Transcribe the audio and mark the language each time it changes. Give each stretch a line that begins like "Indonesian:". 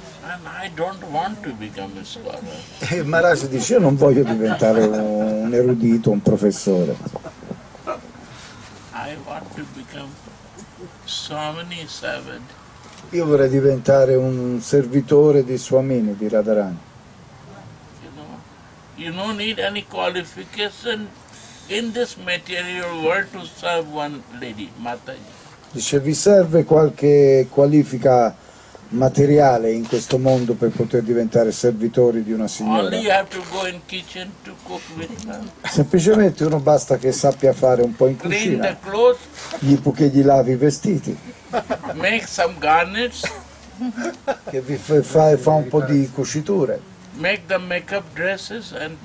English: And I don't want to become a scholar.
Italian: Maharaj dice, io non voglio diventare un erudito, un professore.
English: I want to become Swamini servant.
Italian: Io vorrei diventare un servitore di Swamini, di Radharani.
English: You don't need any qualification in this material world to serve one lady, Mataji.
Italian: Dice, vi serve qualche qualifica materiale in questo mondo per poter diventare servitori di una signora?
English: Only you have to go in kitchen to cook with her.
Italian: Semplicemente uno basta che sappia fare un po' in
English: clean
Italian: cucina.
English: The clothes,
Italian: gli può che gli lavi i vestiti.
English: Make some garnets.
Italian: Che vi fa un po' di cuciture.
English: Make the makeup dresses and